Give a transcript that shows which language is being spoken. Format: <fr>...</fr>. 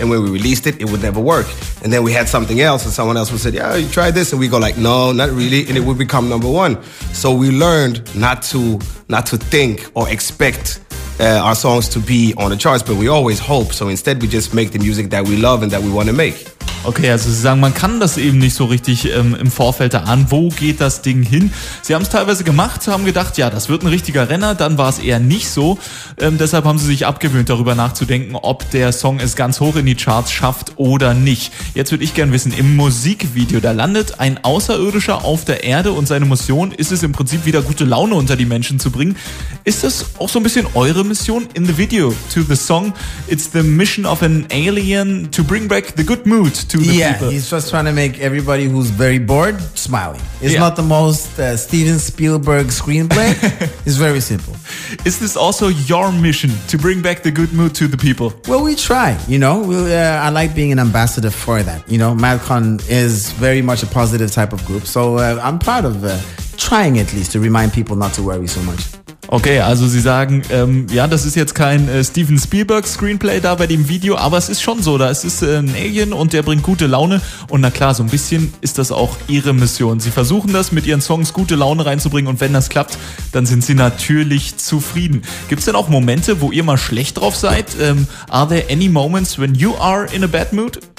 <en>And when we released it, it would never work. And then we had something else and someone else would say, yeah, you tried this. And we go like, no, not really. And it would become number one. So we learned not to think or expect our songs to be on the charts, but we always hope. So instead, we just make the music that we love and that we want to make.</en> <de>Okay, also Sie sagen, man kann das eben nicht so richtig im Vorfeld erahnen. Wo geht das Ding hin? Sie haben es teilweise gemacht, haben gedacht, ja, das wird ein richtiger Renner. Dann war es eher nicht so. Deshalb haben Sie sich abgewöhnt, darüber nachzudenken, ob der Song es ganz hoch in die Charts schafft oder nicht. Jetzt würde ich gerne wissen, im Musikvideo, da landet ein Außerirdischer auf der Erde und seine Mission ist es im Prinzip, wieder gute Laune unter die Menschen zu bringen. Ist das auch so ein bisschen eure Mission?</de> <en>In the video to the song, it's the mission of an alien to bring back the good mood. Yeah, he's just trying to make everybody who's very bored smiling. It's not the most Steven Spielberg screenplay. It's very simple. Is this also your mission to bring back the good mood to the people? Well, we try, you know. I like being an ambassador for that. You know, MadCon is very much a positive type of group. So I'm proud of trying at least to remind people not to worry so much.</en> <de>Okay, also Sie sagen, das ist jetzt kein Steven Spielberg Screenplay da bei dem Video, aber es ist schon so, da ist es ein Alien und der bringt gute Laune und na klar, so ein bisschen ist das auch Ihre Mission. Sie versuchen das mit Ihren Songs gute Laune reinzubringen und wenn das klappt, dann sind Sie natürlich zufrieden. Gibt's denn auch Momente, wo ihr mal schlecht drauf seid?</de> <en>Are there any moments when you are in a bad mood?</en>